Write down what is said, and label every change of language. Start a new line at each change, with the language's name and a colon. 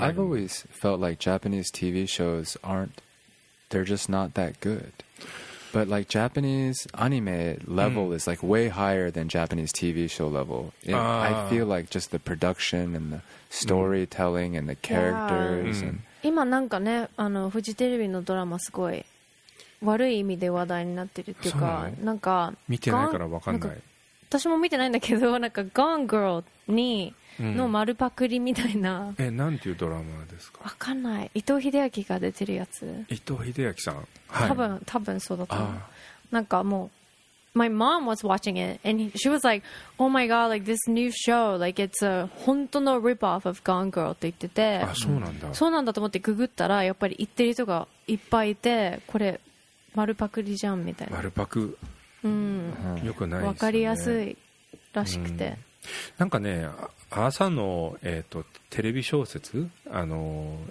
English: I've always felt like Japanese TV shows aren't, they're just not that good. But like Japanese anime level mm. is like way higher than Japanese TV show level. I feel like just the production and the storytelling mm. and the characters. Yeah.
Japanese: Mm. 今なんかね、あのフジテレビのドラマすごい。悪い意味で話題になってるっていうか、うなんか見てないから分かんない。なん私も見てないんだけど、なんか Gone Girl にの丸パクリみたいな。うん、なんていうドラマですか。分かんない。伊藤英明が出てるやつ。伊藤英明さん。はい、多分そうだと思う。なんかもう
English: My mom was watching it and she was like, "Oh my god, like this new show, like it's a
Japanese: 本当の
English: rip off of Gone Girl"
Japanese: って言ってて。あ、そうなんだ。そうなんだと思ってググったらやっぱり言ってる人がいっぱいいて、これ。丸パクリじゃんみたいな丸パク、うん、よくないですね分かりやすいらしくて、うん、なんかね朝の、テレビ小説あの、